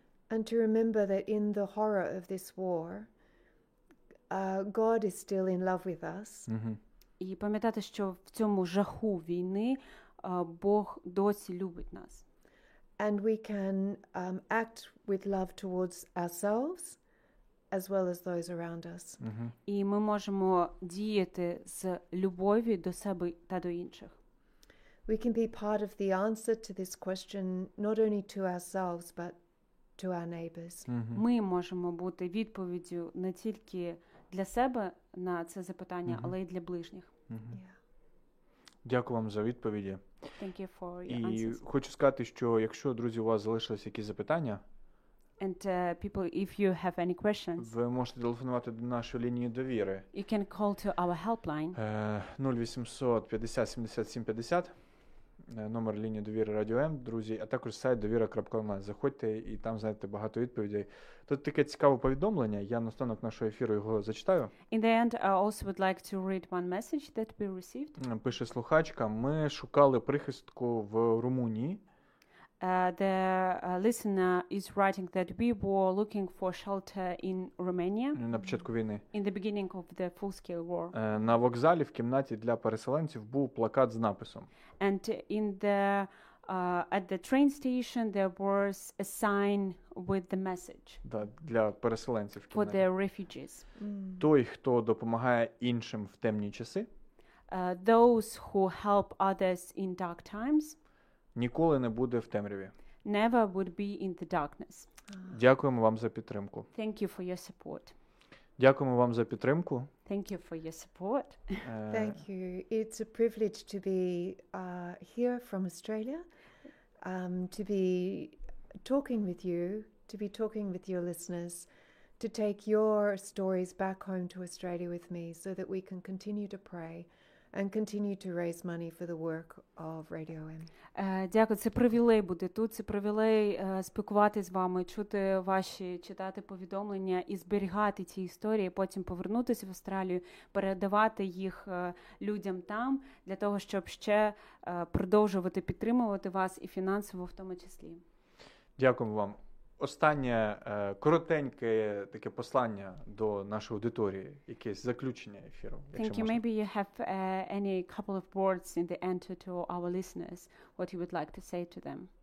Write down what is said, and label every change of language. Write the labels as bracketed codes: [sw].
[en] And to remember that in the horror of this war, God is still in love with us. [uk] І пам'ятати, що в цьому жаху війни Бог досі любить нас. [en] And we can act with love towards ourselves as well as those around us. [uk] І ми можемо діяти з любові до себе та до інших. [en] We can be part of the answer to this question not only to ourselves but to our neighbors. [uk] Ми можемо бути відповіддю не тільки для себе на це запитання, але й для ближніх. Дякую вам за відповіді. [en] Thank you for your answers. [uk] І хочу сказати, що якщо, друзі, у вас залишилися якісь запитання, [en] and people, if you have any questions, [uk] ви можете телефонувати до нашої лінії довіри. [en] You can call to our helpline. [uk] 0800 50 77 50, номер лінії довіри Радіо М, друзі, а також сайт довіра.онлайн. Заходьте і там знайдете багато відповідей. Тут таке цікаве повідомлення, я на останок нашого ефіру його зачитаю. [en] In the end, I also would like to read one message that we received. [uk] Пише слухачка, ми шукали прихистку в Румунії. [en] The listener is writing that we were looking for shelter in Romania. [uk] На початку війни. [en] In the beginning of the full-scale war. [uk] На вокзалі в кімнаті для переселенців був плакат з написом. [en] And in the at the train station there was a sign with the message. [uk] Да, для переселенців в кімнаті. [en] For the refugees. [uk] Той, хто допомагає іншим в темні часи. [en] Those who help others in dark times. [uk] Ніколи не буде в темряві. [en] Never would be in the darkness. [uk] Дякуємо вам за підтримку. [en] Thank you for your support. [uk] Дякуємо вам за підтримку. [en] Thank you for your support. Thank you. It's a privilege to be here from Australia, to be talking with you, to be talking with your listeners, to take your stories back home to Australia with me so that we can continue to pray and continue to raise money for the work of Radio M. [uk] Дякую, це привілей бути тут, це привілей спілкувати з вами, чути ваші, читати повідомлення і зберігати ці історії, потім повернутися в Австралію, передавати їх людям там, для того, щоб ще продовжувати підтримувати вас і фінансово в тому числі. Дякую вам. Останнє коротеньке таке послання до нашої аудиторії, якесь заключення ефіру. [en] Thank you. Maybe you have any couple of words in the end to our listeners, what you would like to say to them.